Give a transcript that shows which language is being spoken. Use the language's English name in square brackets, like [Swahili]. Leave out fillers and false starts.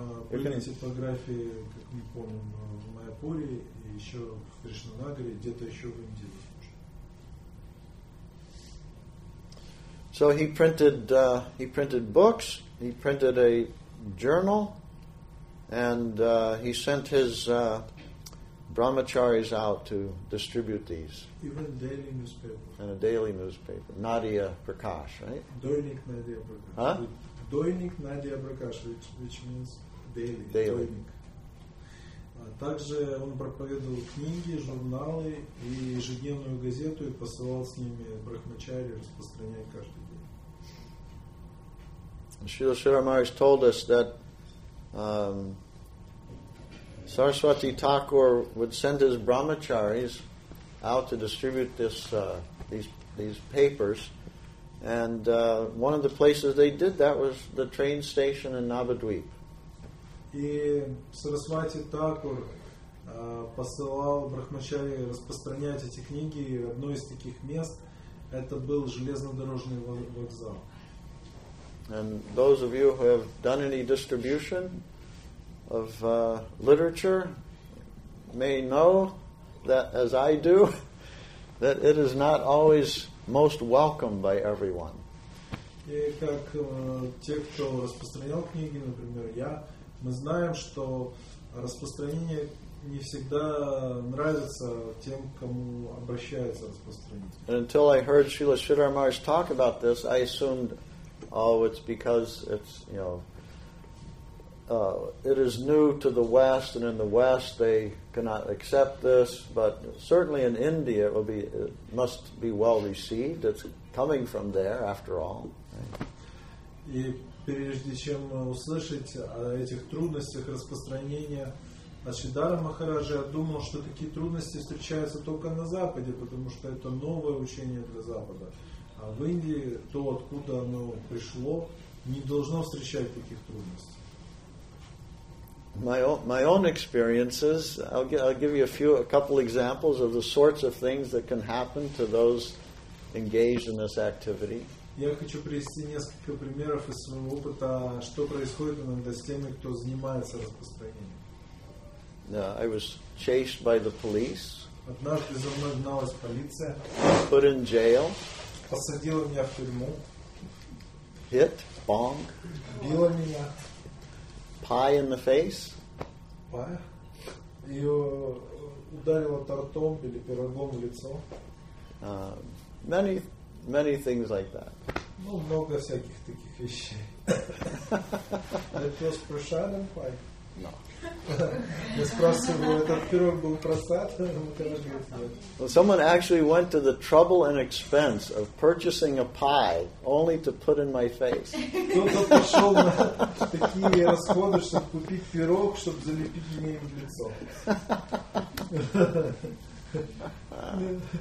[Russian] Были типографии, как мы помним, в Майяпуре и еще в Кришнанагаре, где-то еще в Индии. [English] So he printed books, he printed a journal, and he sent his brahmacharis out to distribute these. Even daily newspaper. And a daily newspaper. Nadia Prakash, right? Doinik Nadia Prakash. Huh? Doinik Nadia Prakash, which means daily. Daily. Doinik. [Russian] Также он проповедовал книги, журналы и ежедневную газету и посылал с ними брахмачари распространять каждый день. [English] Srila Shiramaraj told us that Saraswati Thakur would send his brahmacharis out to distribute these papers, and one of the places they did that was the train station in Navadvip. [Russian] И Сарасвати Такур посылал брахмачари распространять эти книги. Одно из таких мест это был железнодорожный вокзал. [English] And those of you who have done any distribution of literature may know that, as I do, that it is not always most welcome by everyone. [Russian] И как те, кто распространял книги, например, я, мы знаем, что распространение не всегда нравится тем, кому обращается распространитель. [English] And until I heard Srila Sridhar Maharaj talk about this, I assumed, oh, it's because it's, you know, it is new to the West, and in the West they cannot accept this, but certainly in India it must be well received. It's coming from there, after all. [Russian] И прежде чем услышать о этих трудностях распространения от Шридхара Махараджа, я думал, что такие трудности встречаются только на Западе, потому что это новое учение для Запада. А в Индии то, откуда оно пришло, не должно встречать таких трудностей. [English] My own experiences, I'll give you a couple examples of the sorts of things that can happen to those engaged in this activity. [Russian] Я хочу привести несколько примеров из своего опыта, что происходит иногда с теми, кто занимается распространением. [English] I was chased by the police. [Russian] Однажды за мной гналась полиция. [English] Put in jail. [Russian] Посадила меня в тюрьму. [English] Hit, bong. [Russian] Била меня. [English] Pie in the face. Pie. [Russian] Ее ударила тортом или пирогом в лицо. [English] Many things like that. [Russian] Ну, много всяких таких вещей. Это [English] was [Russian] прошаден pie? [English] No. [Russian] Я спрашиваю, этот пирог был просад? [English] Well, someone actually went to the trouble and expense of purchasing a pie only to put in my face. [Russian] Кто-то пошел на такие расходы, чтобы купить пирог, чтобы залепить мне в лицо.